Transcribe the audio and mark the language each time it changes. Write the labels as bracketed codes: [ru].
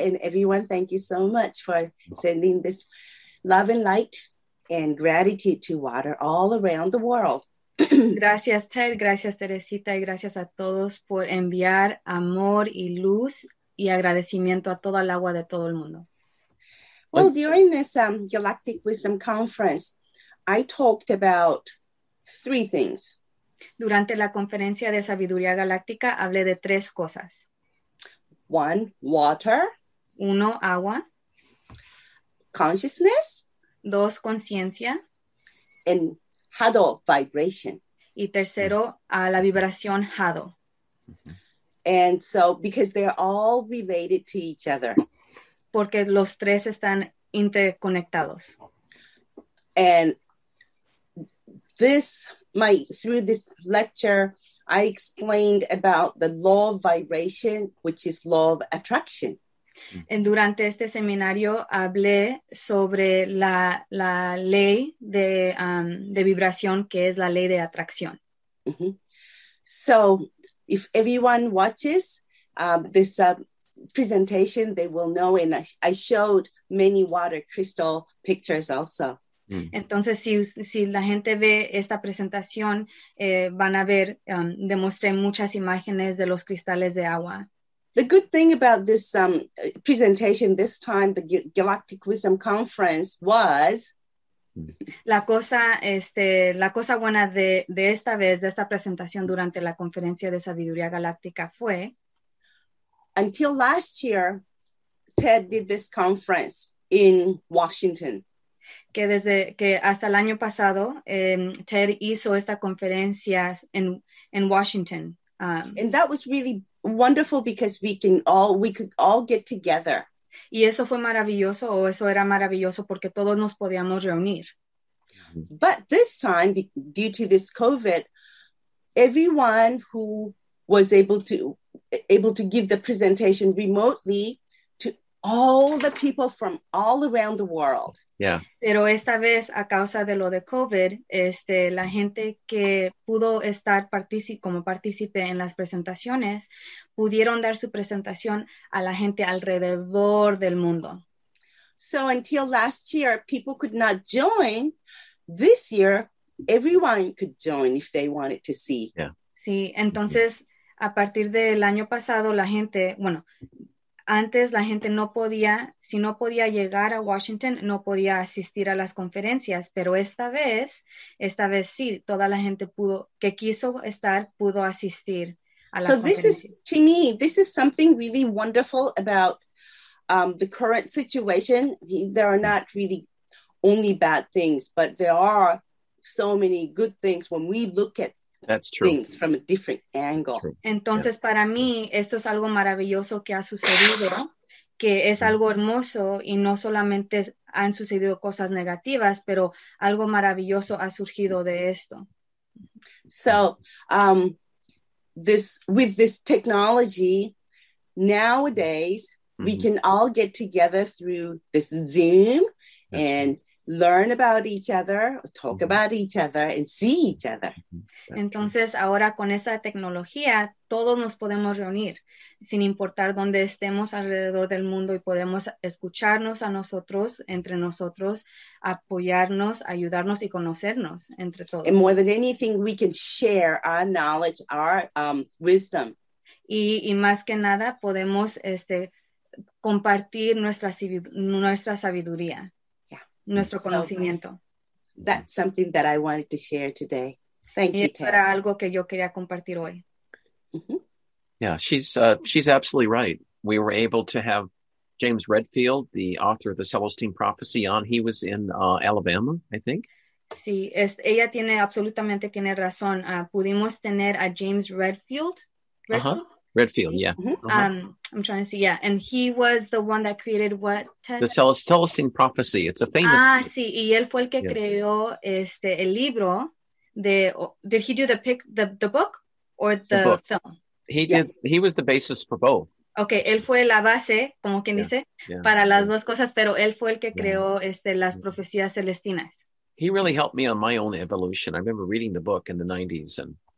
[en] And everyone, thank you so much for sending this love and light and gratitude to water all around the world. [es] Gracias, Ted. Gracias, Teresita. Y gracias a todos por enviar amor y luz y agradecimiento a toda el agua de todo el mundo. [en] Well, during this Galactic Wisdom Conference, I talked about three things. [es] Durante la conferencia de sabiduría galáctica, hablé de tres cosas. [en] One, water. [es] Uno, agua. [en] Consciousness. [es] Dos, conciencia. [en] And Hado, vibration. [es] Y tercero, la vibración Hado. [en] And so, because they're all related to each other. [es] Porque los tres están interconectados. [en] And this, my, through this lecture, I explained about the law of vibration, which is law of attraction. And [es] durante este seminario hablé sobre la ley de vibración que es la ley de atracción. [en] So if everyone watches this presentation, they will know, and I showed many water crystal pictures also. [es] Entonces si la gente ve esta presentación van a ver demostré muchas imágenes de los cristales de agua. [en] The good thing about this presentation this time, the Galactic Wisdom Conference, was [es] la cosa buena de esta vez, de esta presentación durante la conferencia de sabiduría galáctica fue [en] until last year Ted did this conference in Washington. [es] Que desde que hasta el año pasado Ted hizo esta conferencia en Washington. [en] And that was really wonderful because we could all get together. [es] Y eso fue maravilloso, o eso era maravilloso porque todos nos podíamos reunir. [en] But this time, due to this COVID, everyone who was able to give the presentation remotely to all the people from all around the world. Yeah. [es] Pero esta vez, a causa de lo de COVID, la gente que pudo estar como partícipe en las presentaciones, pudieron dar su presentación a la gente alrededor del mundo. [en] So until last year, people could not join. This year, everyone could join if they wanted to see. Yeah. [es] Sí, entonces, a partir del año pasado, la gente, bueno, antes la gente no podía, si no podía llegar a Washington, no podía asistir a las conferencias, pero esta vez sí, toda la gente pudo, que quiso estar, pudo asistir a las conferencias. [en] So this is, to me, this is something really wonderful about the current situation. There are not really only bad things, but there are so many good things when we look at That's true. Things from a different angle. [es] Entonces, [en] yeah. [es] Para mí, esto es algo maravilloso que ha sucedido, que es algo hermoso, y no solamente han sucedido cosas negativas, pero algo maravilloso ha surgido de esto. [en] So, with this technology, nowadays, mm-hmm. we can all get together through this Zoom. That's and true. Learn about each other, talk mm-hmm. about each other, and see each other. [es] Entonces, ahora con esta tecnología, todos nos podemos reunir, sin importar dónde estemos alrededor del mundo, y podemos escucharnos a nosotros, entre nosotros, apoyarnos, ayudarnos y conocernos entre todos. [en] And more than anything, we can share our knowledge, our wisdom. [es] Y más que nada, podemos compartir nuestra sabiduría. Nuestro conocimiento. [en] That's something that I wanted to share today. Thank you, Ted. [es] Era algo que yo quería compartir hoy. [en] Mm-hmm. Yeah, she's absolutely right. We were able to have James Redfield, the author of the Celestine Prophecy, on. He was in Alabama, I think. [es] Sí, ella tiene absolutamente tiene razón. Pudimos tener a James Redfield. [en] Redfield, yeah. Mm-hmm. I'm trying to see, yeah. And he was the one that created what? The Celestine Prophecy. It's a famous book. [es] Sí. Y él fue el que creó el libro de... [en] Did he do the book or the book. Film? He was the basis for both. [es] Okay, él fue la base, como quien dice, para las dos cosas, pero él fue el que creó las profecías celestinas. [en] He really helped me on my own evolution. I remember reading the book in the 90s and...